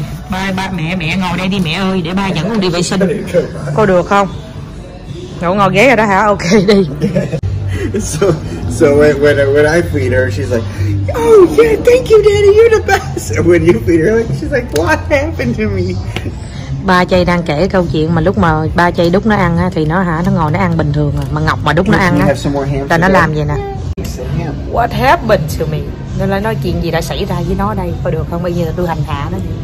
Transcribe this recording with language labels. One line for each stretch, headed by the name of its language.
Vietnamese: Ba mẹ ngồi đây đi mẹ ơi, để ba dẫn con đi vệ sinh. Có được không? Ngồi ghế rồi đó hả? Ok đi.
English: So when I feed her, she's like, oh yeah, thank you daddy, you're the best. And when you feed her, she's like, what happened to me?
Vietnamese: Ba chay đang kể câu chuyện mà lúc mà ba chay đút nó ăn thì nó hả, nó ngồi nó ăn bình thường mà Ngọc mà đút nó ăn á, nó làm vậy nè. What happened to me? Nó lại nói chuyện gì đã xảy ra với nó đây, có được không? Bây giờ tôi hành hạ nó.